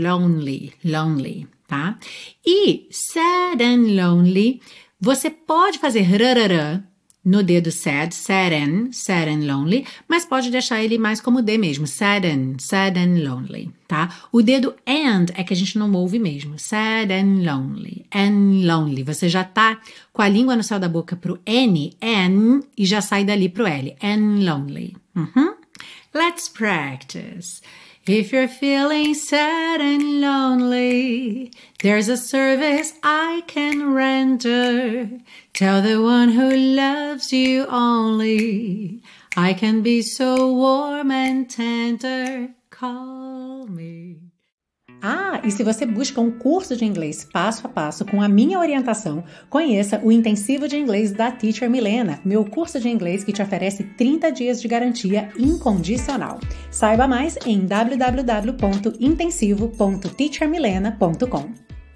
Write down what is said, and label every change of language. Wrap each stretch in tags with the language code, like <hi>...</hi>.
<pt>Lonely, lonely, tá? E</pt> <en>sad and lonely,</en> <pt>você pode fazer rararã no dedo</pt> <en>sad, sadden, sadden lonely,</en> <pt>mas pode deixar ele mais como D mesmo, sadden, sadden lonely, tá? O dedo and é que a gente não ouve mesmo,</pt> <en>sadden lonely, and lonely.</en> <pt>Você já tá com a língua no céu da boca pro N, N, e já sai dali pro L,</pt> <en>and lonely. Let's practice. If you're feeling sad and lonely, there's a service I can render. Tell the one who loves you only, I can be so warm and tender. Call me.</en> <pt>Ah, e se você busca um curso de inglês passo a passo com a minha orientação, conheça o Intensivo de Inglês da Teacher Milena, meu curso de inglês que te oferece 30 dias de garantia incondicional. Saiba mais em www.intensivo.teachermilena.com.</pt>